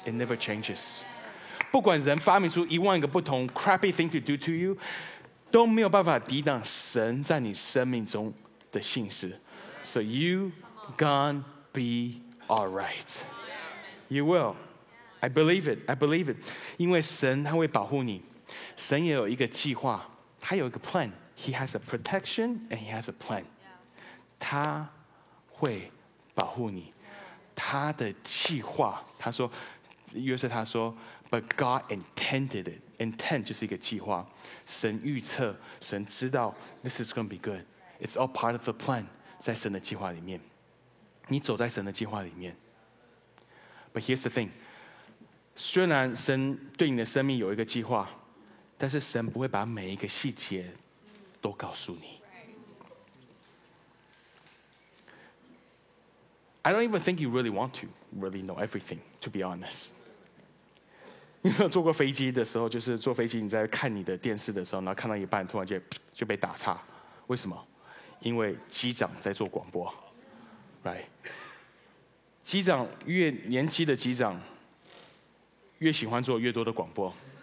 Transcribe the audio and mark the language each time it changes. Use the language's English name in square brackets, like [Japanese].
[Chinese] It never changes. 不管人发明出一万个不同 crappy thing to do to you，都没有办法抵挡神在你生命中的信实。 [English] So you gonna be alright. You will. I believe it. I believe it. [Chinese] 因为神他会保护你，神也有一个计划，他有一个 plan. [English] He has a protection and he has a plan. [Chinese] 他会保护你，他的计划，他说，约瑟他说 ， But God intended it. Intent 就是一个计划，神预测，神知道 ， This is going to be good. [English] It's all part of the plan. [Chinese] 在神的计划里面，你走在神的计划里面。 But here's the thing，虽然神对你的生命有一个计划，但是神不会把每一个细节都告诉你。 [English] I don't even think you really want to really know everything, to be honest. [Chinese] 你有没有坐过飞机的时候，就是坐飞机你在看你的电视的时候，然后看到一半突然就被打岔，为什么？因为机长在做广播， right? 机长越年轻的机长越喜欢做越多的广播。